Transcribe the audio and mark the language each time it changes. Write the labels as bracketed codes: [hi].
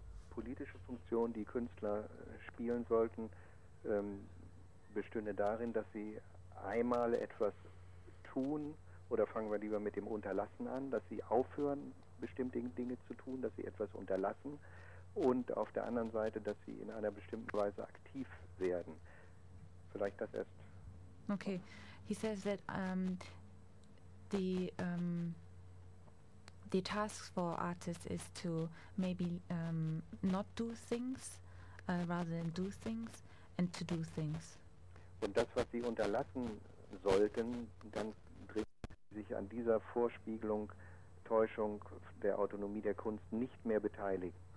[de] Politische Funktion, die Künstler spielen sollten, bestünde darin, dass sie einmal etwas tun, oder fangen wir lieber mit dem Unterlassen an, dass sie aufhören, bestimmte Dinge zu tun, dass sie etwas unterlassen und auf der anderen Seite, dass sie in einer bestimmten Weise aktiv werden. Vielleicht das erst. [en] Okay, he says that the task for artists is to maybe not do things rather than do things and to do things. [de] Und das, was sie unterlassen sollten, dann dreht sich an dieser Vorspiegelung, Täuschung der Autonomie der Kunst nicht mehr beteiligen.